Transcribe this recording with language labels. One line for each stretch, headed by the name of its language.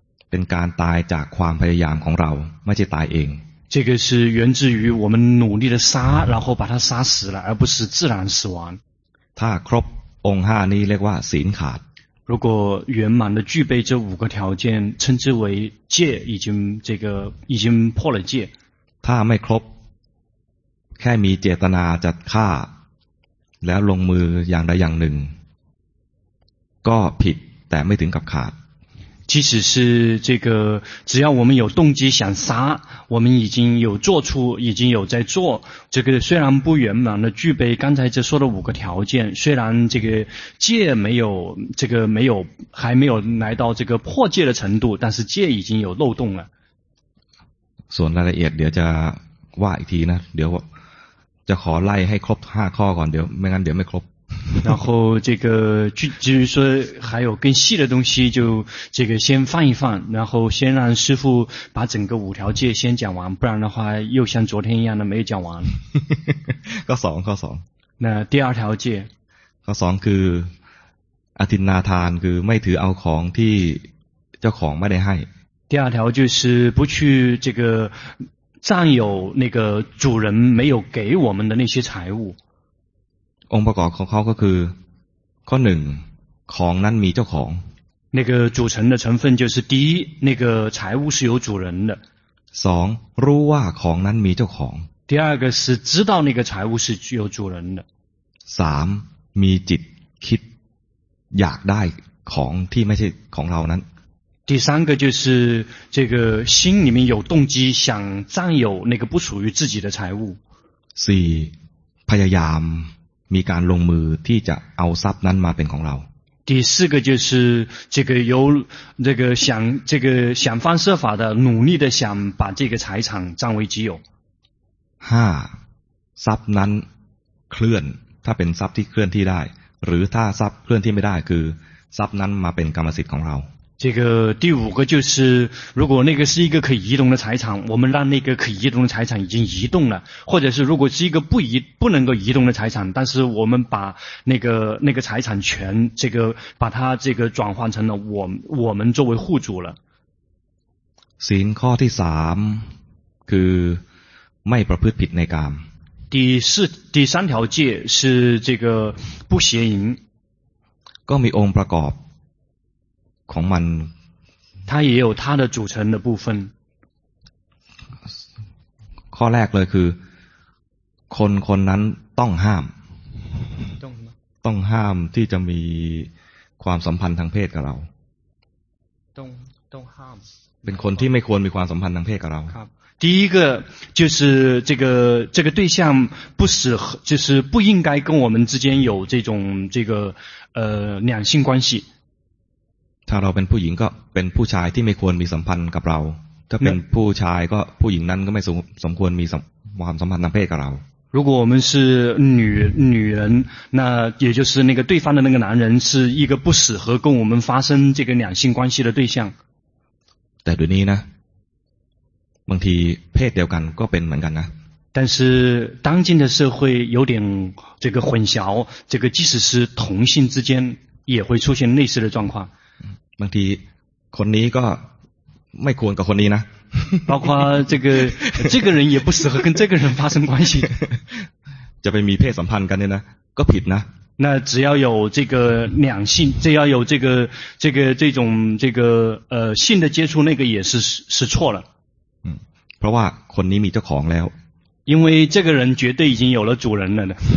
Thai: เป็นการตายจากความพยายามของเราไม่ใช่ตายเอง
Chinese: 这个是源自于我们努力的杀然后把它杀死了而不是自然死亡
Thai: ถ้าครบองค์5นี้เรียกว่าศีลขาด
Chinese: 如果圆满的具备这五个条件称之为戒已经破了戒
Thai: ถ้าไม่ครบแค่มีเจตนาจะฆ่าแล้วลงมืออย่างใดอย่างหนึ่งก็ผิดแต่ไม่ถึงกับขาด
Chinese: 即使是这个只要我们有动机想杀我们已经有做出已经有在做这个虽然不圆满的具备刚才这说的五个条件虽然这个戒没有这个没有还没有来到这个破戒的程度但是戒已经有漏洞了
Thai: ส่วนรายละเอียดเดี๋ยวจะว่าอีกทีนะเดี๋ยวจะขอไล่ให้ครบ5ข้อก่อนเดี๋ยวไม่งั้นเดี๋ยวไม่ครบ
Chinese: 然后这个至于说还有更细的东西就这个先放一放然后先让师父把整个五条戒先讲完不然的话又像昨天一样的没有讲完
Thai: ข้อ2ข้อ2
Chinese: 那第二条戒
Thai: ข้อ2คืออทินนาทานคือไม่ถือเอาของที่เจ้าของไม่ได้ให้
Chinese: 第二条就是不去这个占有那个主人没有给我们的那些财物
Thai: องค์ประกอบของเขาก็คือข้อ1ของนั้นมีเจ้าของ
Chinese: 那个组成的成分就是第一那个财物是有主人的
Thai: 2รู้ว่าของนั้นมีเจ้าของ
Chinese: 第二个是知道那个财物是有主人的
Thai: 3มีจิตคิดอยากได้ของที่ไม่ใช่ของเรานั้น
Chinese: 第三个就是这个心里面有动机想占有那个不属于自己的财物
Thai: 4พยายามมีการลงมือที่จะเอาทรัพย์นั้นมาเป็นของเรา
Chinese: 第四个就是这个有这个想这个想方设法的努力的想把这个财产占为己有。
Thai: 哈，ทรัพย์นั้นเคลื่อนถ้าเป็นทรัพย์ที่เคลื่อนที่ได้หรือถ้าทรัพย์เคลื่อนที่ไม่ได้คือทรัพย์นั้นมาเป็นกรรมสิทธิ์ของเรา。
Chinese: 这个第五个就是如果那个是一个可以移动的财产，我们让那个可以移动的财产已经移动了，或者是如果是一个不能够移动的财产，但是我们把那个财产权这个把它这个转换成了我们作为户主了。
Thai: ศีลข้อที่สามคือไม่ประพฤติผิดในกาม。
Chinese: 第三条戒是这个不邪淫。
Thai: ก็มีองค์ประกอบของมัน
Chinese: 它也有它的组成的部分。
Thai: ข้อแรกเลยคือคนคนนั้นต้องห้ามต้องห้ามที่จะมีความสัมพันธ์ทางเพศกับเรา ต้องห้าม เป็นคนที่ไม่ควรมีความสัมพันธ์ทางเพศกับเรา ครับ
Chinese: 第一个就是这个对象不适合，就是不应该跟我们之间有这种这个两性关系。
Thai: ถ้าเราเป็นผู้หญิงก็เป็นผู้ชายที่ไม่ควรมีสัมพันธ์กับเราถ้าเป็นผู้ชายก็ผู้หญิงนั้นก็ไม่สมควรมีความสัมพันธ์ทางเพศกับเรา
Chinese: 如果我们是女人，那也就是那个对方的那个男人是一个不适合跟我们发生这个两性关系的对象。
Thai: แต่เดี๋ยวนี้นะบางทีเพศเดียวกันก็เป็นเหมือนกันนะ
Chinese: 但是当今的社会有点这个混淆，这个即使是同性之间也会出现类似的状况。
Thai: บางทีคนนี้ก็ไม่ควรกับคนนี้นะ
Chinese: 包括这个人也不适合跟这个人发生关系
Thai: จะไปมีเพศสัมพันธ์กันเนี่ยนะก็ผิดนะ
Chinese: 那只要有这个两性只要有这个这种这个性的接触那个也是错了
Thai: เพราะว่าคนนี้มีเจ้าของแล้ว
Chinese: 因为这个人绝对已经有了主人了呢